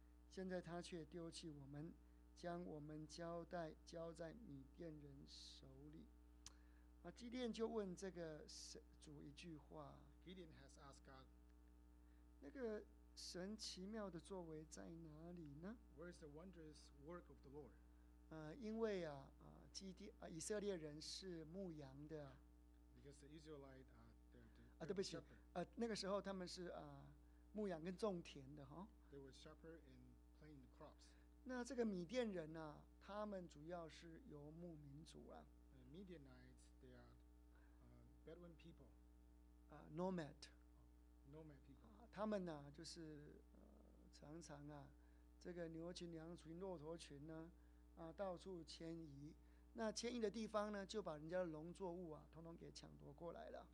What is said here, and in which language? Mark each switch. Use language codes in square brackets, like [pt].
[zh] 现在他却丢弃我们，将我们交在米甸人手里。基甸就问这个主一句话。 [en] Gideon has asked God, [zh] 那个神奇妙的作为在哪里呢？ [en] Where is the wondrous work of the Lord? [zh] 因为以色列人是牧羊的。 [en] Because the Israelite, [zh] 啊，对不起，那个时候他们是牧羊跟种田的哈。 [en] They were shepherds and planting the crops. [zh] 那这个米甸人呢，他们主要是游牧民族啊。 [en] Midianites, they are Bedouin people. Nomad. Nomad people. [zh] 他们呢，就是常常啊，这个牛群、羊群、骆驼群呢，到处迁移。那迁移的地方呢，就把人家的农作物啊，统统给抢夺过来了。